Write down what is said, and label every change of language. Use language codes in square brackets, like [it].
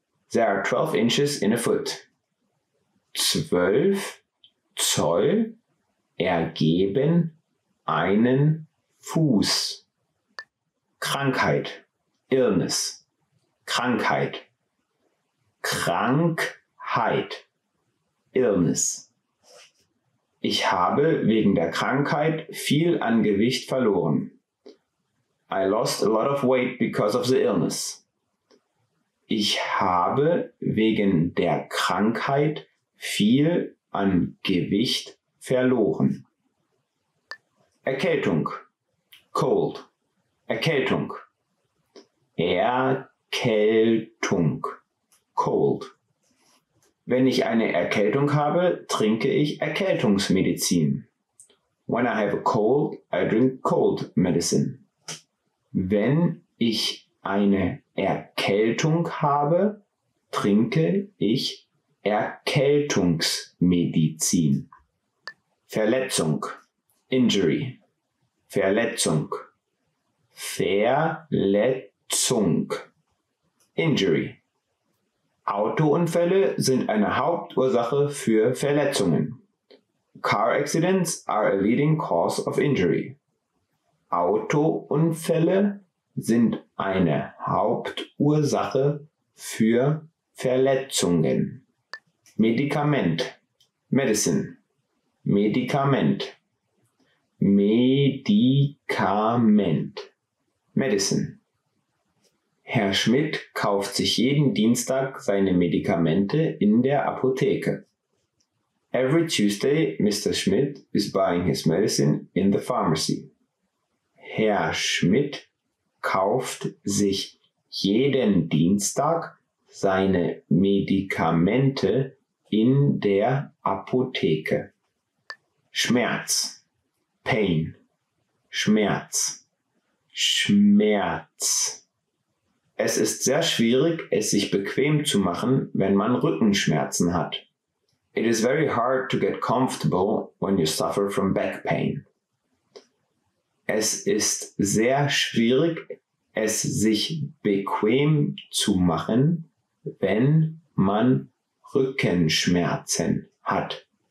[en] There are 12 inches in a foot. [de] 12 Zoll ergeben einen Fuß. Krankheit. Illness. Krankheit. Krankheit. Illness. Ich habe wegen der Krankheit viel an Gewicht verloren. [en] I lost a lot of weight because of the illness. [de] Ich habe wegen der Krankheit viel an Gewicht verloren. Erkältung. Cold. Erkältung. Erkältung. Cold. Wenn ich eine Erkältung habe, trinke ich Erkältungsmedizin. [en] When I have a cold, I drink cold medicine. [de] Wenn ich eine Erkältung habe, trinke ich Erkältungsmedizin. Verletzung. Injury. Verletzung. Verletzung. Injury. Autounfälle sind eine Hauptursache für Verletzungen. [en] Car accidents are a leading cause of injury. [de] Autounfälle sind eine Hauptursache für Verletzungen. Medikament. Medicine. Medikament. Medikament. Medicine. Herr Schmidt kauft sich jeden Dienstag seine Medikamente in der Apotheke. [en] Every Tuesday, Mr. Schmidt is buying his medicine in the pharmacy. [de] Herr Schmidt kauft sich jeden Dienstag seine Medikamente in der Apotheke. Schmerz. Pain. Schmerz. Schmerz. Es ist sehr schwierig, es sich bequem zu machen, wenn man Rückenschmerzen hat. [en] It is very hard to get comfortable when you suffer from back pain. [de] Es ist sehr schwierig, es sich bequem zu machen, wenn man Rückenschmerzen hat.